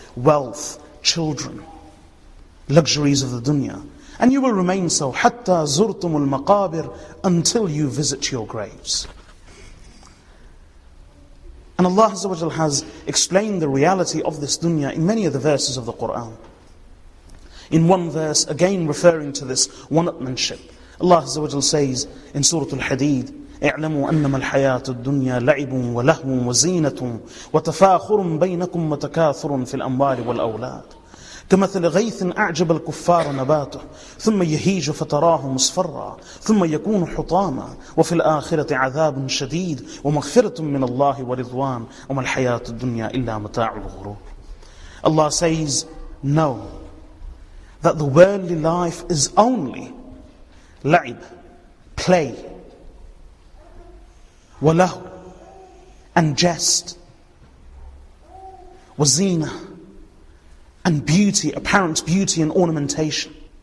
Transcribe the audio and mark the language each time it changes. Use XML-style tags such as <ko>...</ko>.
<en>Wealth, children, luxuries of the dunya. And you will remain so,</en> <ar>حَتَّى زُرْتُمُ الْمَقَابِرِ,</ar> <en>until you visit your graves. And Allah Azza wa Jal has explained the reality of this dunya in many of the verses of the Qur'an. In one verse, again referring to this one-upmanship, Allah Azza wa Jal says in Surah Al-Hadid,</en> <ar>اعلموا أنما الحياة الدنيا لعب ولهو وزينة وتفاخر بينكم وتكاثر في الأموال والأولاد كمثل غيث أعجب الكفار نباته ثم يهيج فتراه مصفرا ثم يكون حطاما وفي الآخرة عذاب شديد ومغفرة من الله ورضوان وما الحياة الدنيا إلا متاع الغرور.</ar> <en>Allah says, know that the worldly life is only لعب, play, ولهو, and jest, وزينة, and beauty, apparent beauty and ornamentation.</en>